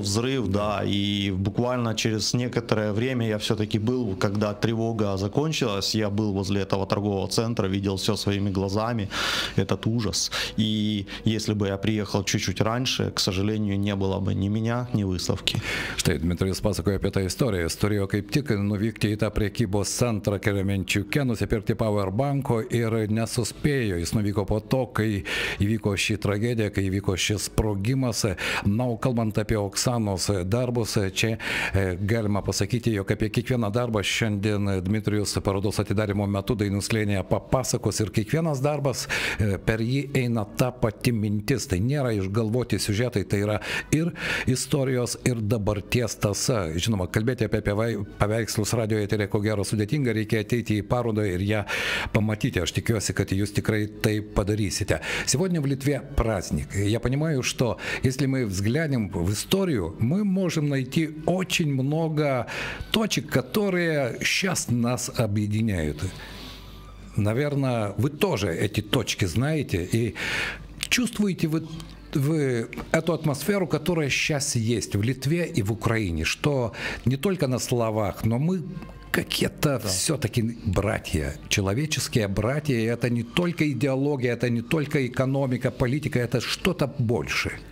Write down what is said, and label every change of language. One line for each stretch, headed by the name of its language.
Russian: взрыв, да. И буквально через некоторое время я все-таки был, когда тревога закончилась, я был возле этого торгового центра, видел все своими глазами, этот ужас. И если бы я приехал чуть-чуть раньше, к сожалению, не было бы ни меня, ни выставки.
Lithuanian: Štai, Dmitrijus pasakoja apie tą istoriją. Jis turėjo kaip tik nuvykti į tą prekybos centrą Kremenčiuke, nusipirkti powerbanko ir nesuspėjo. Jis nuvyko po to, kai įvyko ši tragedija, kai įvyko šis sprogimas. Na, o kalbant apie Oksanos darbus, čia galima pasakyti, jog apie kiekvieną darbą šiandien Dmitrijus parodos atidarymo metu Dainius Lėnėje papasakos ir kiekvienas darbas per jį eina ta pati mintis. Tai nėra išgalvoti siužetai, tai yra ir istorijos, ir dabarties tasa. Žinoma, kalbėti apie paveikslus radio eterį, ko gero sudėtinga, reikia ateiti į parodą ir ją pamatyti. Aš tikiuosi, kad jūs tikrai tai padarysite.
Russian: Сегодня в Литве праздник. Я понимаю, что если мы взглянем в историю, мы можем найти очень много точек, которые сейчас нас объединяют. Наверное, вы тоже эти точки знаете и чувствуете вы эту атмосферу, которая сейчас есть в Литве и в Украине, что не только на словах, но мы какие-то все-таки братья, человеческие братья, и это не только идеология, это не только экономика, политика, это что-то больше.